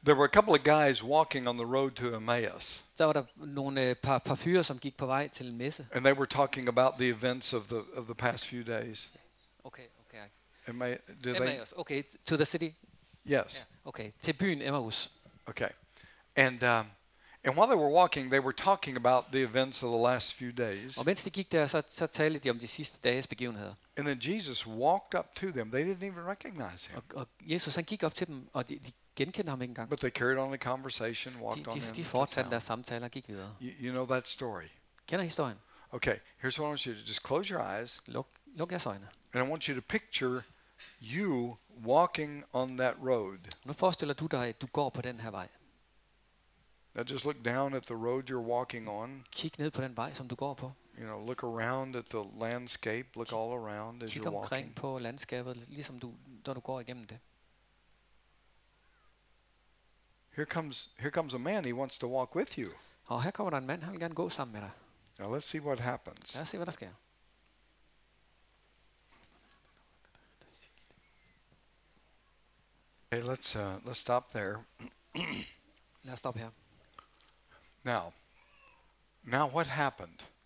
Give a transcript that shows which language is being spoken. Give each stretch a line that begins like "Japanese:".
English: There were a couple of guys walking on the road to Emmaus.
Danish: Der var der nogle par fyre som gik på vej til en messe.
English: And they were talking about the events of the past few days. Okay. Emmaus. Okay, to the city. Yes.
Danish: Yeah. Okay, til byen Emmaus.
English: Okay. And while they were walking, they were talking about the events of the last few days.
Danish: Og mens de gik der, så talte de om de sidste dages begivenheder.
English: And then Jesus walked up to them. They didn't even recognize him.
Danish: Og Jesus, han gik op til dem, og de genkendte ham ikke engang.
English: But they carried on the conversation, walked
Danish: de,
English: on
Danish: de fortsatte deres samtale og gik videre.
English: You know that story.
Danish: Kender historien?
English: Okay, here's what I want you to just close your eyes.
Danish: Luk jeres øjne.
English: And I want you to picture you walking on that road.
Danish: Nu forestiller du dig, at du går på den her vej.
English: Now just look down at the road you're walking on.
Danish: Kig ned på den vej som du går på.
English: You know, look around at the landscape, look all around as you're walking.
Danish: Kig omkring på landskabet, ligesom du når du går igennem det.
English: Here comes a man, he wants to walk with you.
Danish: Og her kommer der en mand, han vil gerne gå sammen med dig.
English: Now let's see what happens.
Danish: Lad os se hvad der sker.
English: Hey, let's stop there.
Danish: Lad os stoppe her.
English: Now what happened?